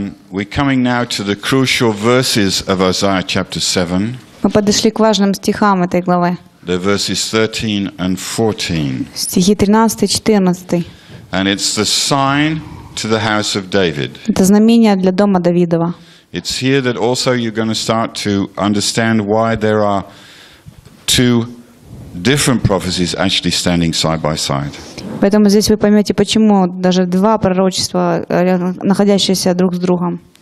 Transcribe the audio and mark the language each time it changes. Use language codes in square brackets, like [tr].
[en] We're coming now to the crucial verses of Isaiah chapter 7. [ru] Мы подошли к важным стихам этой главы. [en] The verses 13 and 14. [ru] Стихи 13 и 14. [en] And it's the sign to the house of David. [ru] Это знамение для дома Давидова. [en] It's here that also you're going to start to understand why there are two different prophecies actually standing side by side. [ru] Поэтому здесь вы поймете, почему даже два пророчества, находящиеся друг с другом.